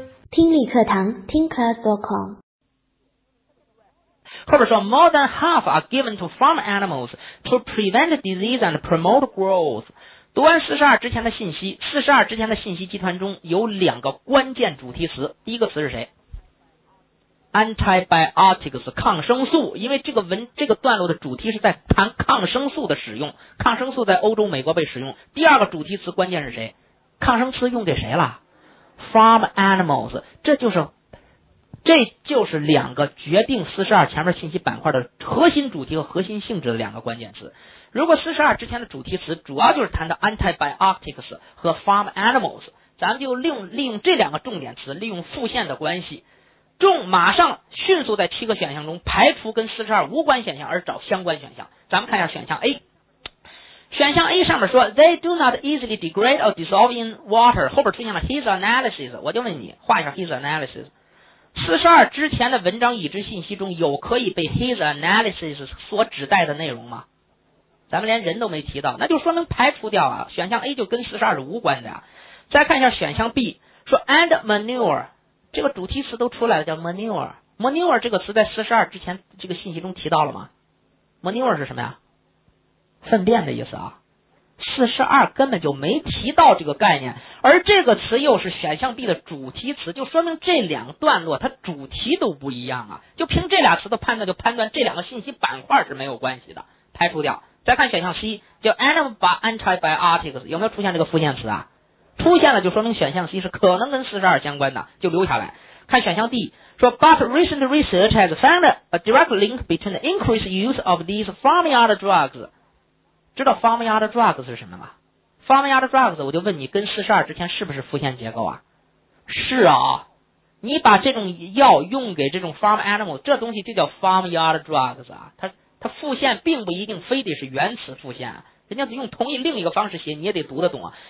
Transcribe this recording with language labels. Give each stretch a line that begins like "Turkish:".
Chinese: 听力课堂，听 class.com。后边说
English: ，more than half are given to farm animals to prevent disease and promote growth。
Chinese: 读完42之前的信息， 42之前的信息集团中有两个关键主题词，第一个词是谁？ Antibiotics 抗生素，因为这个段落的主题是在谈抗生素的使用，抗生素在欧洲美国被使用。第二个主题词关键是谁？抗生素用给谁了？ Farm animals， 这就是两个决定42前面信息板块的核心主题和核心性质的两个关键词。如果42之前的主题词主要就是谈的 antibiotics 和 farm animals， 咱们就利用这两个重点词，利用复线的关系，马上迅速在七个选项中排除跟42无关选项，而找相关选项。咱们看一下选项 A。选项 A 上面说
English: they do not easily degrade or dissolve in water，
Chinese: 后边出现了 his analysis， 我就问你，画一下 his analysis。 42之前的文章已知信息中有可以被 his analysis 所指代的内容吗？咱们连人都没提到，那就说明排除掉啊，选项 A 就跟42是无关的啊。再看一下选项 B， 说 and manure， 这个主题词都出来了，叫 manure。 manure 这个词在42之前这个信息中提到了吗？manure 是什么呀？粪便的意思啊。 42根本就没提到这个概念，而这个词又是选项 B 的主题词，就说明这两段落它主题都不一样啊。就凭这俩词的判断，就判断这两个信息板块是没有关系的，排除掉。再看选项 C， 叫 antibiotics， 有没有出现这个复线词啊？出现了就说明选项 C 是可能跟42相关的，就留下来。看选项 D， 说
English: but recent research has found a direct link between the increased use of these farmyard drugs。
Chinese: 知道 farmyard drugs 是什么吗？farmyard drugs 我就问你，跟42之前是不是复线结构啊？是啊，你把这种药用给这种 farm animal， 这东西就叫 farmyard drugs 啊。它复线并不一定非得是原词复线，人家用同意另一个方式写，你也得读得懂啊。